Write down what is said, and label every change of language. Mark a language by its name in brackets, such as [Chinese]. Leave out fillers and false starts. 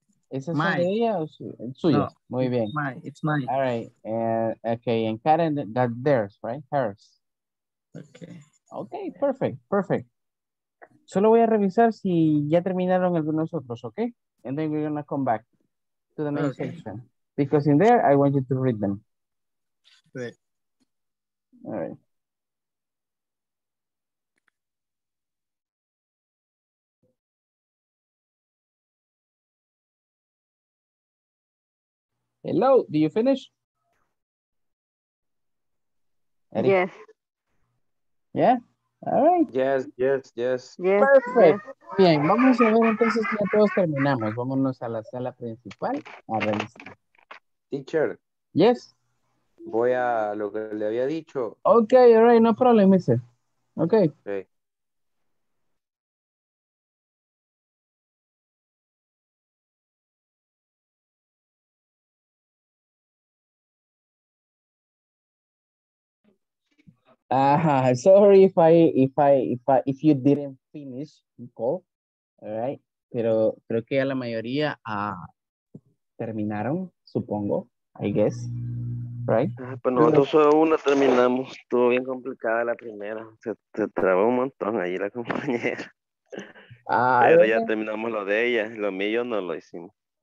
[Spanish] ¿Es esa de ella o su, el suyo? No, muy bien. [English] It's mine. All right. Okay. And Karen, that theirs, right? Hers. Okay. Okay. Perfect. Perfect. [Spanish] Solo voy a revisar si ya terminaron algunos otros, okay? [English] And then we're going to come back to the next section. Because in there, I want you to read them. Right. All right. Hello, do you finish? Eddie? Yes. Yeah? All right. Yes. Perfect. Yes. [Spanish] Bien, vamos a ver entonces ya todos terminamos. Vámonos a la sala principal. A realizar. [English] Teacher. Yes. [Spanish] Voy a lo que le había dicho. [English] Okay, all right, no problem, mister. Okay. Okay. Sorry if you didn't finish the call, all right? [Spanish] Pero creo que a la mayoría terminaron, supongo, [English] I guess, right? [Spanish] Pues nosotros solo una terminamos, estuvo bien complicada la primera, se trabó un montón ahí la compañera. Ah, pero ya terminamos lo de ella, lo mío no lo hicimos.